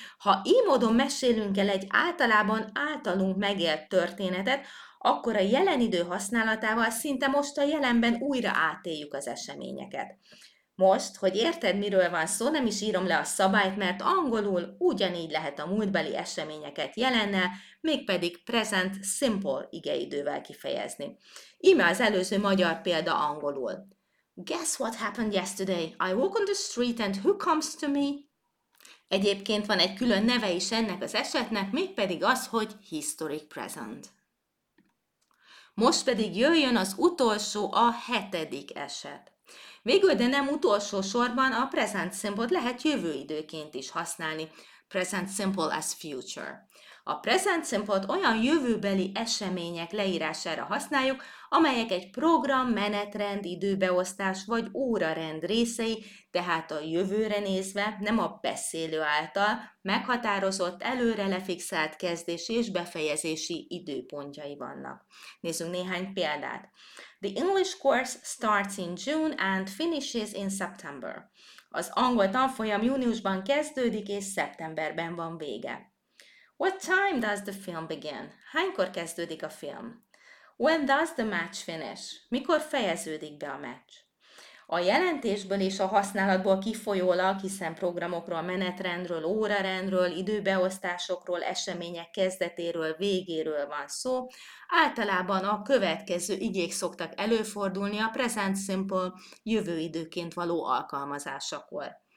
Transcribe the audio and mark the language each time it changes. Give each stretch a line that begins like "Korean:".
Hungarian: Ha így módon mesélünk el egy általában általunk megélt történetet, akkor a jelen idő használatával szinte most a jelenben újra átéljük az eseményeket. Most, hogy érted, miről van szó, nem is írom le a szabályt, mert angolul ugyanígy lehet a múltbeli eseményeket jelennel, mégpedig present simple igeidővel kifejezni. Íme az előző magyar példa angolul.
English: Guess what happened yesterday? I walk on the street and who comes to me?
Hungarian: Egyébként van egy külön neve is ennek az esetnek, mégpedig az, hogy historic present. Most pedig jöjjön az utolsó, a hetedik eset. Végül, de nem utolsó sorban, a present simple-t lehet jövőidőként is használni.
English: Present simple as future.
Hungarian: A present simple-t olyan jövőbeli események leírására használjuk, amelyek egy program, menetrend, időbeosztás vagy órarend részei, tehát a jövőre nézve, nem a beszélő által, meghatározott, előre lefixált kezdési és befejezési időpontjai vannak. Nézzünk néhány példát.
English: The English course starts in June and finishes in September.
Hungarian: Az angol tanfolyam júniusban kezdődik és szeptemberben van vége.
English: What time does the film begin?
Hungarian: Hánykor kezdődik a film?
English: When does the match finish?
Hungarian: Mikor fejeződik be a meccs? A jelentésből és a használatból kifolyólag, hiszen programokról, menetrendről, órarendről, időbeosztásokról, események kezdetéről, végéről van szó, általában a következő igék szoktak előfordulni a present simple jövőidőként való alkalmazásakor.